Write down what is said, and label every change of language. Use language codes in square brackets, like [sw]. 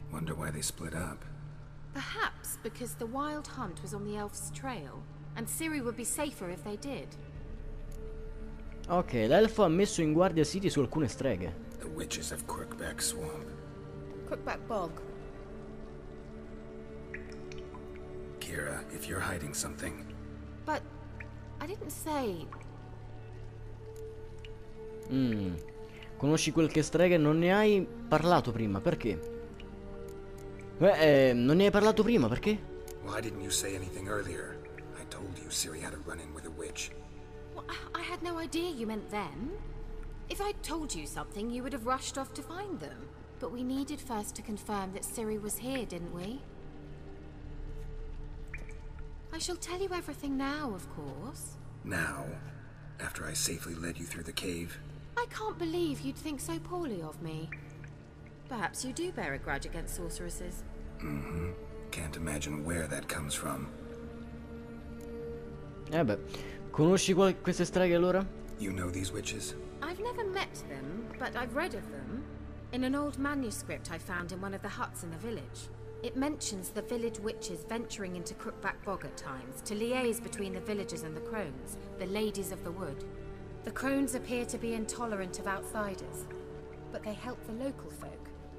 [en] Wonder why they split up. Perhaps because the Wild Hunt was on the elf's trail and Ciri would be safer if they did. [it] Ok, l'elfo ha messo in guardia Ciri su alcune streghe. [en] The witches of Crookback Swamp. Crookback Bog. Kira, if you're hiding something. But I didn't say. [it] Conosci qualche strega e non ne hai parlato prima, perché? Non ne hai parlato prima, perché? [en] Why didn't you say anything earlier? I told you Ciri had a run-in with a witch. Well, I had no idea you meant them. If I told you something, you would have rushed off to find them. But we needed first to confirm that Ciri was here, didn't we? I shall tell you everything now, of course. Now, after I safely led you through the cave. I can't believe you'd think so poorly of me. Perhaps you do bear a grudge against sorceresses. Mm-hmm. Can't imagine where that comes from. [it] Beh, conosci queste streghe allora? [en] You know these witches? I've never met them, but I've read of them. In an old manuscript I found in one of the huts in the village. It mentions the village witches venturing into Crookback Bog at times to liaise between the villagers and the crones, the ladies of the wood. The crones appear to be intolerant of outsiders, but they help the local folk.